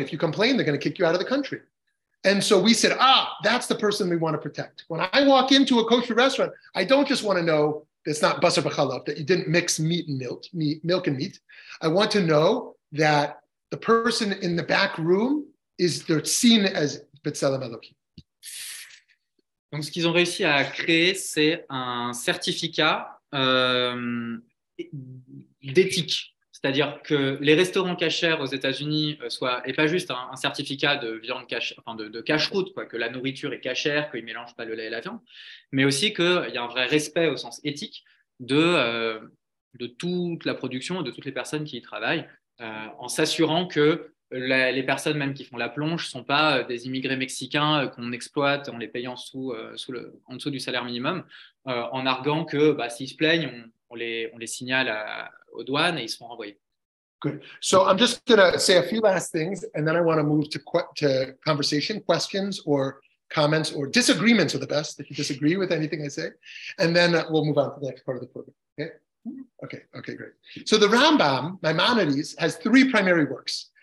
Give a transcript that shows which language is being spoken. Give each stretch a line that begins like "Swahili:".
English: If you complain, they're gonna kick you out of the country. And so we said, that's the person we wanna protect. When I walk into a kosher restaurant, I don't just wanna know that's not basar b'chalav, that you didn't mix milk and meat. I want to know that the person in the back room is they're seen as Betzalem Elohim.
French: Donc ce qu'ils ont réussi à créer, c'est un certificat d'éthique. C'est-à-dire que les restaurants cachers aux États-Unis soient, et pas juste un certificat de viande cachère, enfin de cacheroute, quoi, que la nourriture est cachère, qu'ils ne mélangent pas le lait et la viande, mais aussi qu'il y a un vrai respect au sens éthique de toute la production et de toutes les personnes qui y travaillent, en s'assurant que les personnes même qui font la plonge ne sont pas des immigrés mexicains qu'on exploite en les payant en dessous du salaire minimum, en arguant que bah, s'ils se plaignent, on les signale aux douanes et ils seront renvoyés.
English: Good. So I'm just going to say a few last things, and then I want to move to conversation, questions or comments or disagreements are the best, if you disagree with anything I say, and then we'll move on to the next part of the program. Okay, great. So the Rambam, Maimonides, has three primary works.